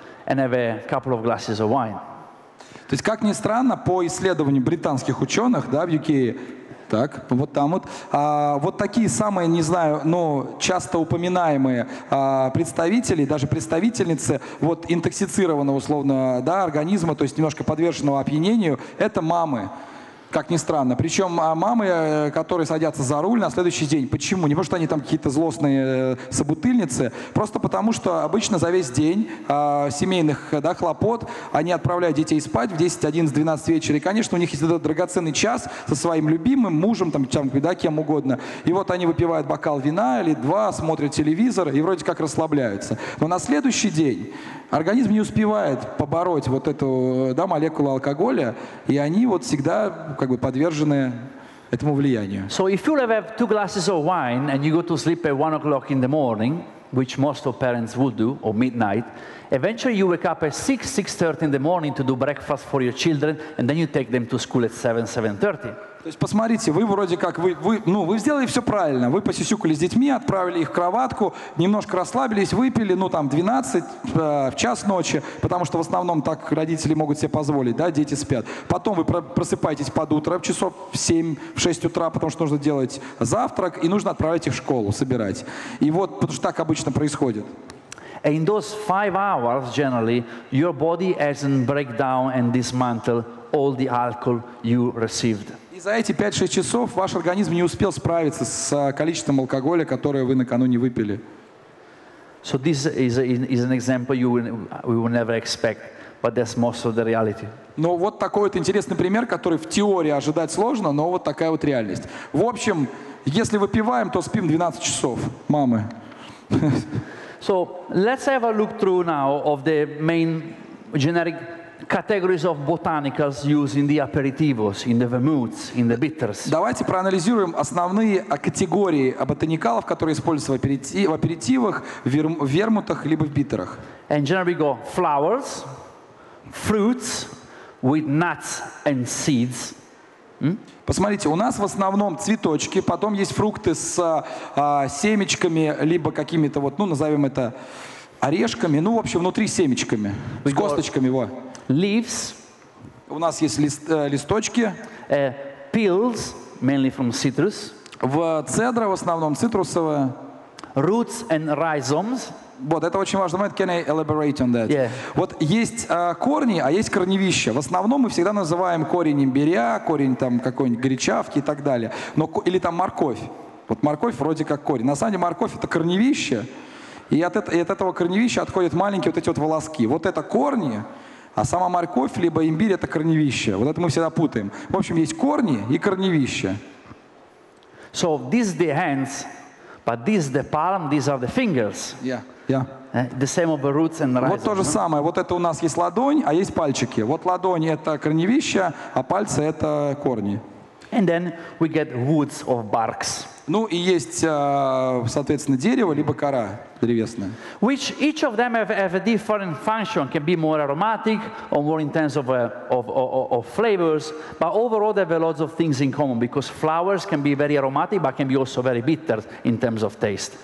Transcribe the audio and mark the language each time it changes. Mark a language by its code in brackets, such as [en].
[en] And have a couple of glasses of wine. [ru] То есть, как ни странно, по исследованию британских ученых, да, в UK, так, вот там вот, вот такие самые, не знаю, ну, часто упоминаемые представители, даже представительницы вот интоксицированного, условно, да, организма, то есть немножко подверженного опьянению, это мамы. Как ни странно. Причем мамы, которые садятся за руль на следующий день. Почему? Не потому, что они там какие-то злостные собутыльницы. Просто потому, что обычно за весь день семейных, да, хлопот они отправляют детей спать в 10, 11, 12 вечера. И, конечно, у них есть этот драгоценный час со своим любимым мужем, там, да, кем угодно. И вот они выпивают бокал вина или два, смотрят телевизор и вроде как расслабляются. Но на следующий день организм не успевает побороть вот эту, да, молекулу алкоголя, и они вот всегда как бы подвержены этому влиянию. [en] So if you have two glasses of wine and you go to sleep at 1 o'clock in the morning, which most of parents would do, or midnight, eventually you wake up at 6:30 in the morning to do breakfast for your children, and then you take them to school at 7:30. [ru] То есть посмотрите, вы вроде как, вы сделали все правильно. Вы посюсюкали с детьми, отправили их в кроватку, немножко расслабились, выпили, ну там, 12 в час ночи, потому что в основном так родители могут себе позволить, да, дети спят. Потом вы просыпаетесь под утро, в часов 7-6 утра, потому что нужно делать завтрак, и нужно отправлять их в школу, собирать. И вот, потому что так обычно происходит. [en] In those 5 hours, generally, your body hasn't break down and dismantle all the alcohol you received. [ru] За эти 5-6 часов ваш организм не успел справиться с количеством алкоголя, которое вы накануне выпили. [en] So this is an example we will never expect, but that's most of the reality. [ru] Но вот такой вот интересный пример, который в теории ожидать сложно, но вот такая вот реальность. В общем, если выпиваем, то спим 12 часов, мамы. [en] So let's have a look through now of the main generic categories of botanicals used in the aperitivos, in the vermouths, in the bitters. [ru] Давайте проанализируем основные категории ботаникалов, которые используются в аперитивах, в вермутах либо в биттерах. [en] And generally we go flowers, fruits with nuts and seeds. [ru] Посмотрите, у нас в основном цветочки, потом есть фрукты с семечками либо какими-то вот, ну, назовем это орешками, ну, в общем, внутри семечками, с косточками, вот. [en] Leaves. [ru] У нас есть листочки. [en] Peels, mainly from citrus. [ru] В цедра в основном цитрусовые. [en] Roots and rhizomes. [ru] Вот, это очень важный момент. [en] Can I elaborate on that? Yeah. [ru] Вот есть корни, а есть корневища. В основном мы всегда называем корень имбиря, корень там какой-нибудь гречавки и так далее. Но, или там морковь. Вот морковь вроде как корень. На самом деле морковь — это корневище, и от этого корневища отходят маленькие вот эти вот волоски. Вот это корни, а сама морковь либо имбирь — это корневище. Вот это мы всегда путаем. В общем, есть корни и корневище. [en] So these the hands, but this the palm, these are the fingers. Yeah. Yeah. The same of the roots and rhizome. [ru] Вот то же самое. Вот это у нас есть ладонь, а есть пальчики. Вот ладонь — это корневище, а пальцы — это корни. [en] And then we get woods of barks. [ru] Ну и есть, соответственно, дерево либо кора древесная. [en] Which each of them have a different function, can be more aromatic or more intense of flavors, but overall they have lots of things in common because flowers can be very aromatic, but can be also very bitter in terms of taste.